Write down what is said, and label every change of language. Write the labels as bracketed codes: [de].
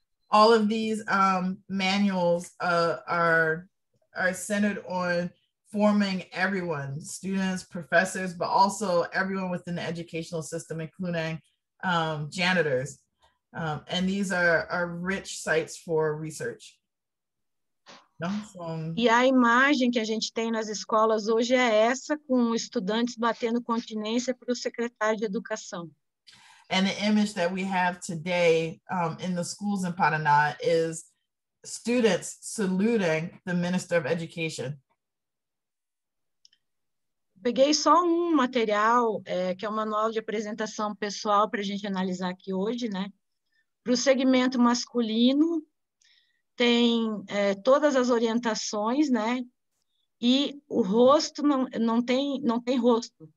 [en] All of these manuals are centered on forming everyone, students, professors, but also everyone within the educational system, including janitors. And these are rich sites for research. [pt] E a imagem que a gente tem nas escolas hoje é essa, com estudantes batendo continência para o secretário de educação. [en] And the image that we have today in the schools in Paraná is students saluting the Minister of Education. [pt] Peguei só um material, que é o manual de apresentação pessoal para a gente analisar aqui hoje, né? Para o segmento masculino, tem todas as orientações, né? E o rosto não tem rosto.